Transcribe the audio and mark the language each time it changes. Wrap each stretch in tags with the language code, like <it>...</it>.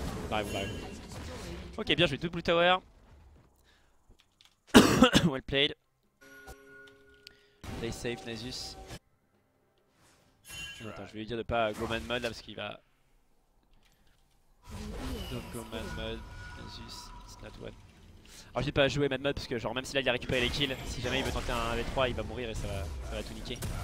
<fr>Bah, bon, bah. Ok, bien joué, double Blue Tower.</fr> <en>Well played. Play safe, Nasus.</en> <fr>Attends, je vais lui dire de pas go man mode là parce qu'il va.</fr> <en>Don't go man mode, Nasus, it's not one.</en> <fr>Alors, je vais pas jouer man mode parce que, genre, même si là il a récupéré les kills, si jamais il veut tenter un V3, il va mourir et ça va tout niquer.</fr>